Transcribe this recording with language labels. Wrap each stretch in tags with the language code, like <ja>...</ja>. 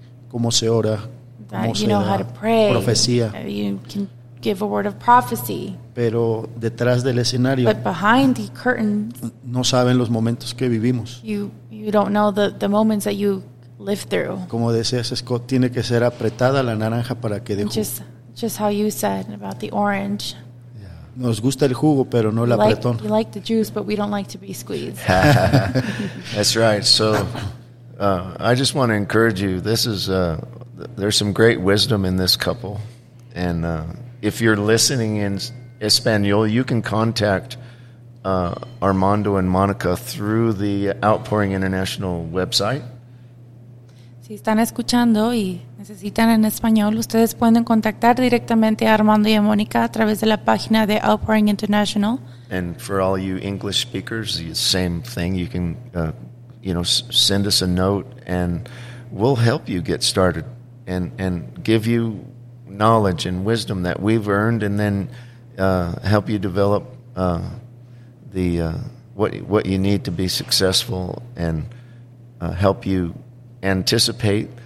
<es>Cómo se ora, cómo se</es> <en>know</en> <es>da</es> <en>how to pray,</en> <es>profecía.</es> <en>You can give a word of prophecy.</en> <es>Pero detrás del escenario.</es> <en>But behind the curtains.</en> <es>No saben los momentos que vivimos.</es> <en>You don't know the moments that you live through.</en> <es>Como decía Scott, tiene que ser apretada la naranja para que dejo.</es> <en>Just how you said about the orange. Yeah.</en> <es>Nos gusta el jugo, pero no el apretón.</es> <en>We like the juice, but we don't like to be squeezed. That's right. So I just want to encourage you. This is there's some great wisdom in this couple. And if you're listening in Espanol, you can contact Armando and Monica through the Outpouring International website.</en> <es>Si están escuchando y necesitan en español, ustedes pueden contactar directamente a Armando y a Mónica a través de la página de Outpouring International.</es> <en>And for all you English speakers, the same thing. You can, send us a note and we'll help you get started and give you knowledge and wisdom that we've earned and then help you develop what you need to be successful and help you anticipate.</en>